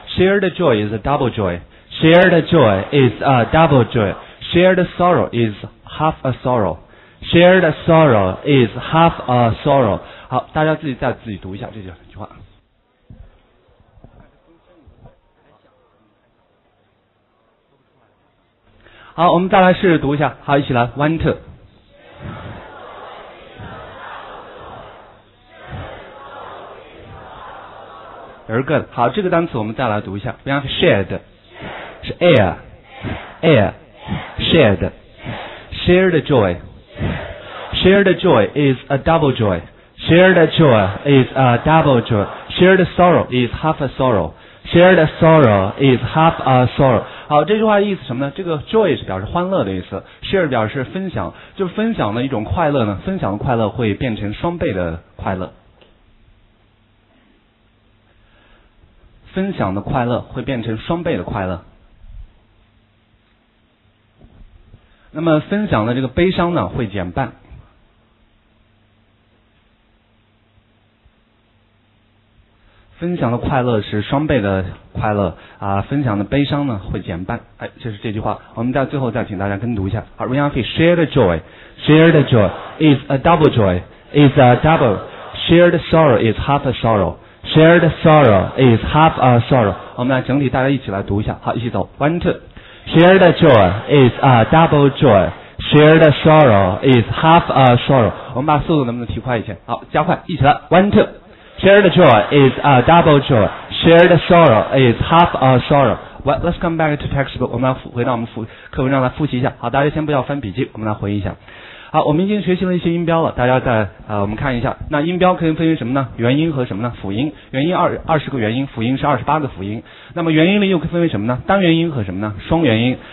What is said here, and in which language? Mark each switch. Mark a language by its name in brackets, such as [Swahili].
[English] Share the joy is a double joy. Share the joy is a double joy. Share the sorrow is half a sorrow. Share the sorrow is half a sorrow. [Chinese] 好，大家自己再自己读一下这句话。好，我们再来试试读一下。好，一起来 ， [English] one two。 Very good。 [Chinese] 好，这个单词我们再来读一下。 [English] We have shared， 是 air，shared， shared joy， shared joy is a double joy， shared joy is a double joy， shared sorrow is half a sorrow， shared sorrow is half a sorrow。 [Chinese] 好，这句话的意思什么呢？这个 joy 是表示欢乐的意思， share 表示分享，就分享的一种快乐呢，分享的快乐会变成双倍的快乐，分享的快乐会变成双倍的快乐。那么分享的这个悲伤呢，会减半。分享的快乐是双倍的快乐啊，分享的悲伤呢会减半。哎，这是这句话，我们在最后再请大家跟读一下。 [English] 好 ，Ryan Fee， shared joy， shared joy is a double joy， is a double， shared sorrow is half a sorrow， shared sorrow is half a sorrow。 [Chinese] 我们来整体大家一起来读一下，好，一起走 [English] ，one two， shared joy is a double joy， shared sorrow is half a sorrow。 [Chinese] 我们把速度能不能提快一些？好，加快，一起来 ， [English] one two。 Shared joy is a double joy. Shared sorrow is half a sorrow. Well, let's come back to textbook. [Chinese] 我们来回到我们课文上来复习一下。好，大家先不要翻笔记，我们来回忆一下。好，我们已经学习了一些音标了，大家再我们看一下。那音标可以分为什么呢？元音和什么呢？辅音。元音二十个元音，辅音是二十八个辅音。那么元音里又可以分为什么呢？单元音和什么呢？双元音。